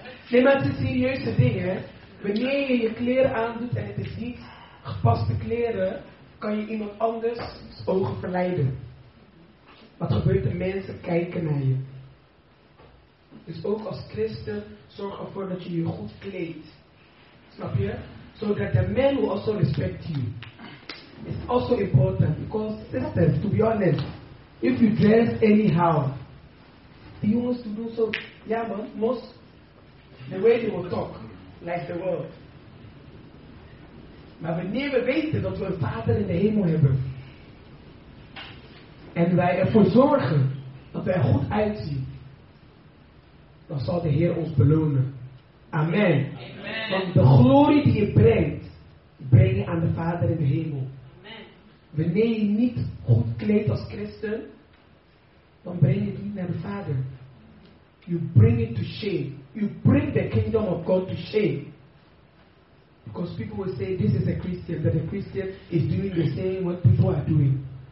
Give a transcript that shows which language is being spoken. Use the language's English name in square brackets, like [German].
[Dutch] Neem maar de serieuze dingen. Wanneer je je kleren aandoet en het is niet gepaste kleren, kan je iemand anders ogen verleiden. Wat gebeurt er? Mensen kijken naar je. Dus ook als christen, zorg ervoor dat je je goed kleedt. Snap je? [English] So that the men will also respect you. It's also important. Because, sisters, to be honest, if you dress anyhow, the humans to do so, yeah, but most, the way they will talk, like the world. [Dutch] Maar we never weten dat we een vader in de hemel hebben. En wij ervoor zorgen dat wij er goed uitzien. Dan zal de Heer ons belonen. Amen. Amen. Want de glorie die je brengt, breng je aan de Vader in de hemel. Amen. Wanneer je niet goed kleedt als christen, dan breng je het niet naar de Vader. [English] You bring it to shame. You bring the kingdom of God to shame. Because people will say, this is a Christian, but a Christian is doing the same what people are doing.